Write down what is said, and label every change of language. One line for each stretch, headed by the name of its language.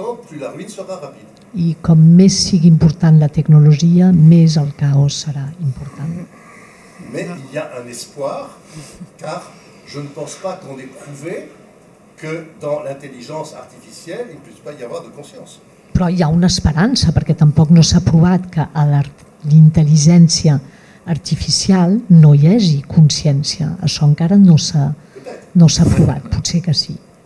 Catalan: I com més sigui important la tecnologia, més el caos serà important.
French: Mais il y a un espoir, car je ne pense pas qu'on ait prouvé que dans l'intelligence artificielle il ne puisse pas y avoir de conscience.
Catalan: Però hi ha una esperança, perquè tampoc no s'ha provat que a l'intel·ligència artificial no hi hagi consciència. Això encara no s'ha provat, potser que sí.